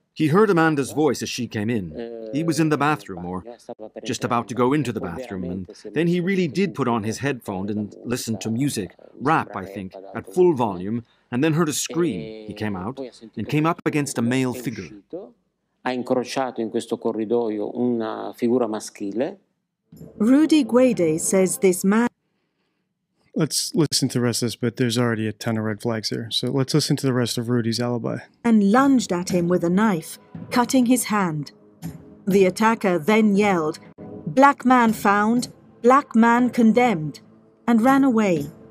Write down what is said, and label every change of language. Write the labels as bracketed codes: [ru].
[en] He heard Amanda's voice as she came in. He was in the bathroom, or just about to go into the bathroom, and then he really did put on his headphone and listened to music, rap, I think, at full volume, and then heard a scream. He came out and came up against a male figure. [it] Ha incrociato in questo corridoio una figura maschile. [en] Rudy Guede says this man... Let's listen to the rest of this, but there's already a ton of red flags here. So let's listen to the rest of Rudy's alibi. And lunged at him with a knife, cutting his hand. The attacker then yelled, "Black man found, black man condemned," and ran away.